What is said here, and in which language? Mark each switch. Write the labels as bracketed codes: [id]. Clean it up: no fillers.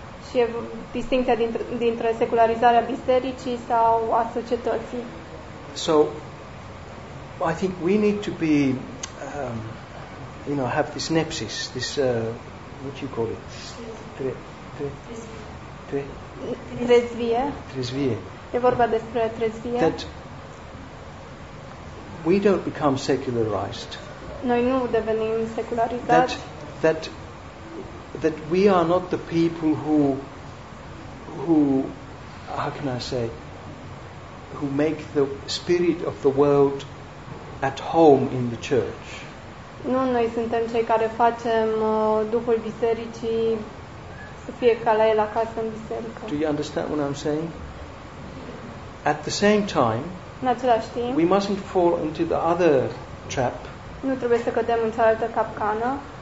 [ro] și e distincția dintre secularizarea bisericii sau a societății. [en] So I think we need to be you know, have this nepsis, this what you call it? [ro] Trezvie. E vorba despre trezvie. [en] That we don't become secularized. [ro] Noi nu devenim secularizați. [en] That we are not the people who how can I say, who make the spirit of the world at home in the church. [ro] Nu noi suntem cei care facem Duhul Bisericii să fie ca la el acasă în biserică. [en] Do you understand what I'm saying? At the same time, [ro] în același timp, [en] we mustn't fall into the other trap. [ro] Nu trebuie să cădem în cealaltă capcană.